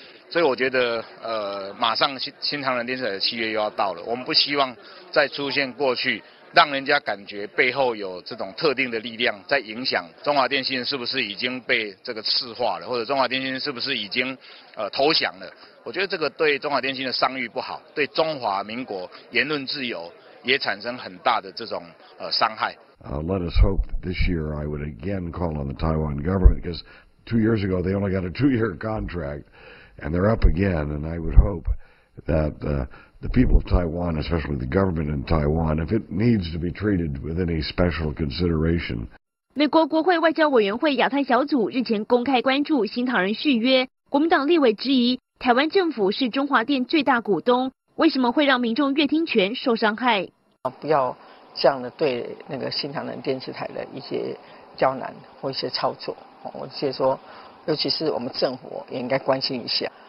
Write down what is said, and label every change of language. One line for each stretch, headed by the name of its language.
Chinese: 所以我觉得马上新唐人电视台的续约又要到了，我们不希望再出现过去让人家感觉背后有这种特定的力量在影响中华电信是不是已经被这个赤化了，或者中华电信是不是已经投降了。我觉得这个对中华电信的商誉不好，对中华民国言论自由也产生很大的这种伤害。
English: Let us hope this year I would again call on the Taiwan government, because 2 years ago they only got a 2-year contract and they're up again, and I would hope that the people of Taiwan, especially the government in Taiwan, if it needs to be treated with any special consideration.
Chinese: 美国国会外交委员会亚太小组日前公开关注新唐人续约，国民党立委质疑台湾政府是中华电最大股东，为什么会让民众阅听权受伤害？不要这样的对那个新唐人电视台的一些刁难或一些操作，我觉得说，尤其是我们政府也应该关心一下。